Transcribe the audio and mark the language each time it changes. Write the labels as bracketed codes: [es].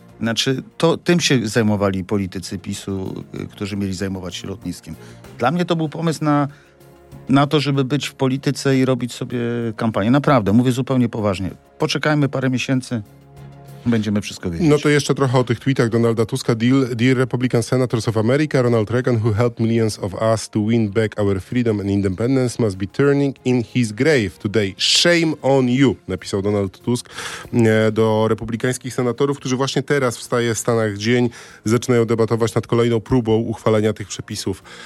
[pl] Znaczy, to tym się zajmowali politycy PiS-u, którzy mieli zajmować się lotniskiem. Dla mnie to był pomysł na to, żeby być w polityce i robić sobie kampanię. Naprawdę, mówię zupełnie poważnie. Poczekajmy parę miesięcy, będziemy wszystko wiedzieć. No to jeszcze trochę o tych tweetach Donalda Tuska. [en] Dear Republican Senators of America, Ronald Reagan, who helped millions of us to win back our freedom and independence, must be turning in his grave today. Shame on you, [pl] napisał Donald Tusk do republikańskich senatorów, którzy właśnie teraz wstaje w Stanach dzień, zaczynają debatować nad kolejną próbą uchwalenia tych przepisów